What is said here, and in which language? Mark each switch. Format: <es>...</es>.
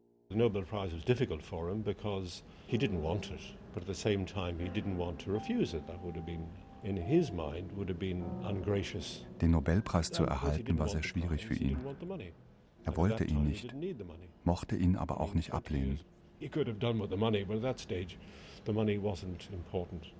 <en>The Nobel Prize was difficult for him because he didn't want it, but at the same time he didn't want to refuse it. That would have been, in his mind, would have been ungracious.</en> <de>Den Nobelpreis zu erhalten war sehr schwierig für ihn. Er wollte ihn nicht, mochte ihn aber auch nicht ablehnen.</de> <en>He could have done with the money, but at that stage, the money wasn't important.</en>